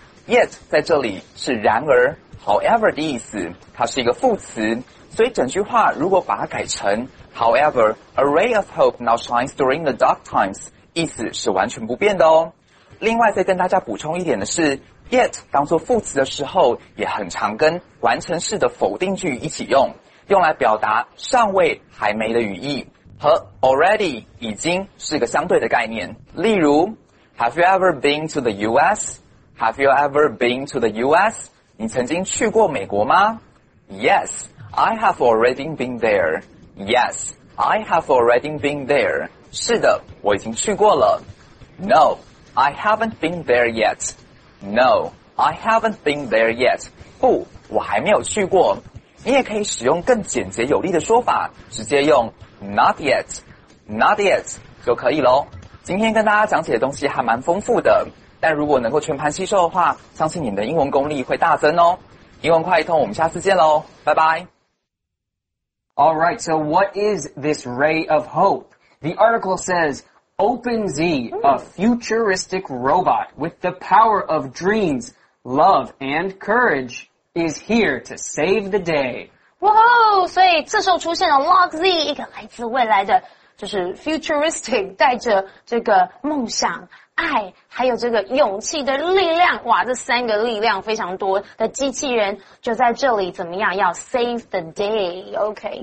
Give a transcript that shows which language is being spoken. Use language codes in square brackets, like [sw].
[zh] Yet 在这里是然而 however 的意思，它是一个副词，所以整句话如果把它改成 [en] however a ray of hope now shines during the dark times， [zh] 意思是完全不变的哦。另外再跟大家补充一点的是， yet 当作副词的时候也很常跟完成式的否定句一起用，用来表达尚未还没的语义，和 already 已经是个相对的概念。例如 [en] Have you ever been to the US? Have you ever been to the US? [zh] 你曾经去过美国吗？ [en] Yes, I have already been there. Yes, I have already been there. [zh] 是的，我已经去过了。 [en] No, I haven't been there yet. No, I haven't been there yet. [zh] 不，我还没有去过。你也可以使用更简洁有力的说法，直接用 [en] not yet, not yet [zh] 就可以咯。今天跟大家讲解的东西还蛮丰富的，但如果能够全盘吸收的话，相信你的英文功力会大增哦。英文快一通，我们下次见咯，拜拜。 [en] All right, so what is this ray of hope? The article says, OpenZ, a futuristic robot with the power of dreams, love and courage, is here to save the day. [zh] 哇哦，所以这时候出现了 LogZ, 一个来自未来的，就是 futuristic, 带着这个梦想爱还有这个勇气的力量，哇，这三个力量非常多的机器人就在这里怎么样，要 [en] save the day, [zh] okay.